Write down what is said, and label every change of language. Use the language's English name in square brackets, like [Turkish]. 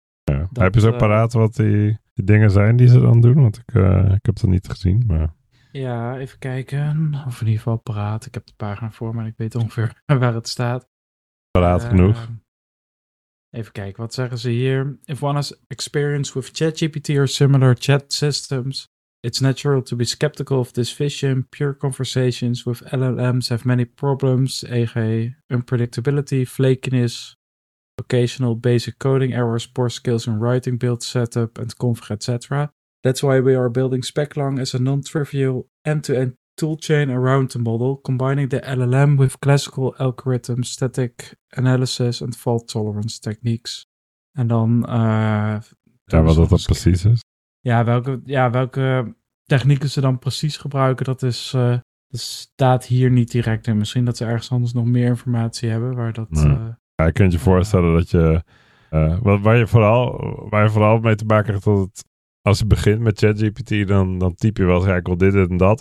[Dutch] Ja. Dat, heb je zo paraat wat die dingen zijn die ze dan doen? Want ik heb het niet gezien, maar... Ja, even kijken. Of in ieder geval paraat. Ik heb de pagina voor, maar ik weet ongeveer waar het staat. Paraat genoeg. Even kijken, wat zeggen ze hier? [English] If one has experience with ChatGPT or similar chat systems, it's natural to be skeptical of this vision. Pure conversations with LLMs have many problems, e.g. unpredictability, flakiness, occasional basic coding errors, poor skills in writing, build setup, and config, etc. That's why we are building Speclang as a non-trivial end-to-end toolchain around the model, combining the LLM with classical algorithms, static analysis and fault tolerance techniques. [Dutch] En dan... ja, wat dat precies is. Ja, welke technieken ze dan precies gebruiken, dat is staat hier niet direct in. Misschien dat ze ergens anders nog meer informatie hebben waar dat... Ja, je kunt je voorstellen dat je... Waar je vooral mee te maken hebt dat het... Als je begint met ChatGPT, dan typ je wel eigenlijk wel dit en dat.